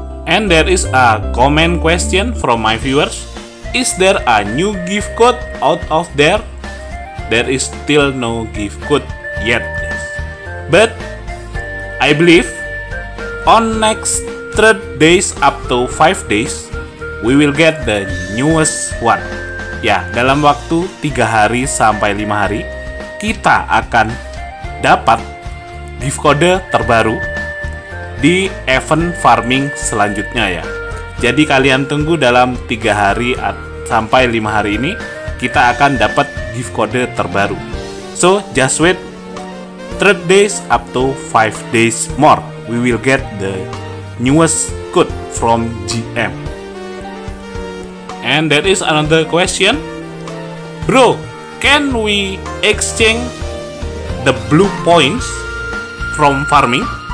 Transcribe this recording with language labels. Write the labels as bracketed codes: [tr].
[en] And there is a comment question from my viewers. Is there a new gift code out of there? There is still no gift code yet, guys. But I believe on next 3 days up to 5 days, we will get the newest one. [id] Ya, dalam waktu 3 hari sampai 5 hari, kita akan dapat gift code terbaru di event farming selanjutnya ya. Jadi kalian tunggu dalam 3 hari sampai 5 hari ini, kita akan dapat gift code terbaru. [en] So, just wait 3 days up to 5 days more. We will get the newest code from GM. And that is another question. Bro, can we exchange the blue points from farming?